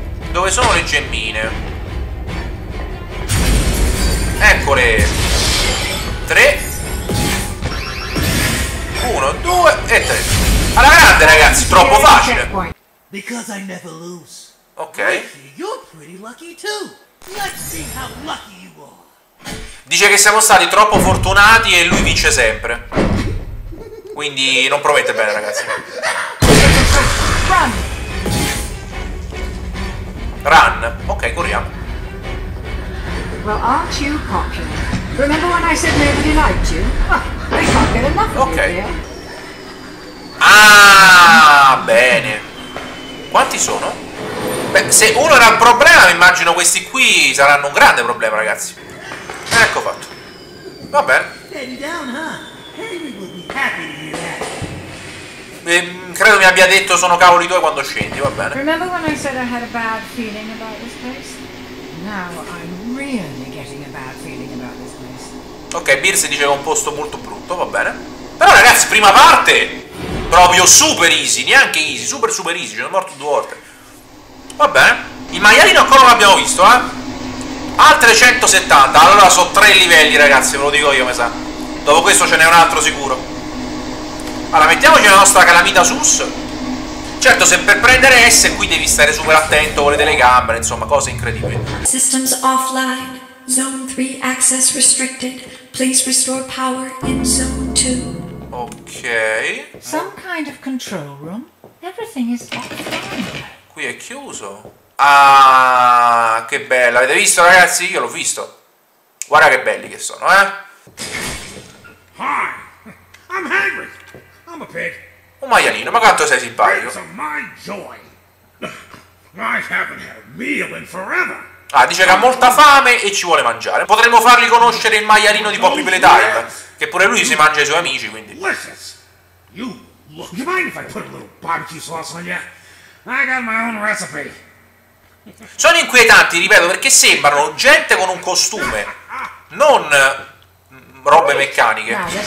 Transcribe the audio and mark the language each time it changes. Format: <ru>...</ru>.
<it>Dove sono le gemmine? Eccole. 3 1 2 e 3. Alla grande, ragazzi, troppo facile.</it> <en>Because I never lose. Ok. You're pretty lucky too. Let's see how lucky you are.</en> <it>Dice che siamo stati troppo fortunati e lui vince sempre. Quindi non promette bene, ragazzi.</it> <en>Run. Run.</en> <it>Ok, corriamo.</it> <en>Well, aren't you popular? Remember when I said nobody liked you? Oh, I can't get enough of okay. you, dear.</en> <it>Ah, bene. Quanti sono? Beh, se uno era un problema, mi immagino questi qui saranno un grande problema, ragazzi. Ecco fatto. Va bene. Credo mi abbia detto sono cavoli tuoi quando scendi, va bene.</it> <en>Remember when I said I had a bad feeling about this place? Now I'm really getting a bad feeling about this place.</en> <it>Ok, Birs diceva un posto molto brutto, va bene. Però ragazzi, prima parte proprio super easy, neanche easy, super super easy, ci sono morto due volte. Va bene. Il maialino ancora non l'abbiamo visto, eh? Altre 170, allora sono tre livelli, ragazzi, ve lo dico io, mi sa. Dopo questo ce n'è un altro sicuro. Allora, mettiamoci la nostra calamita sus. Certo, se per prendere S qui devi stare super attento con le telecamere, insomma, cose incredibili.</it> <en>Systems offline, zone 3 access restricted. Please restore power in zone 2. Ok. Some kind of control room. Everything is offline.</en> <it>Qui è chiuso. Ah, che bello, avete visto, ragazzi? Io l'ho visto. Guarda che belli che sono, eh?</it> <en>Hi, I'm Hagrid. I'm a pig.</en> <it>Un maialino, ma quanto sei simpatico.</it> <en>Pigs are my joy. I haven't had a meal in forever.</en> <it>Ah, dice che ha molta fame e ci vuole mangiare. Potremmo fargli conoscere il maialino di Poppy Playtime, che pure lui si mangia i suoi amici, quindi.</it> <en>Delicious. You look. You mind if I put a little barbecue sauce on you? I got my own recipe.</en> <it>Sono inquietanti, ripeto, perché sembrano gente con un costume, non robe meccaniche.</it>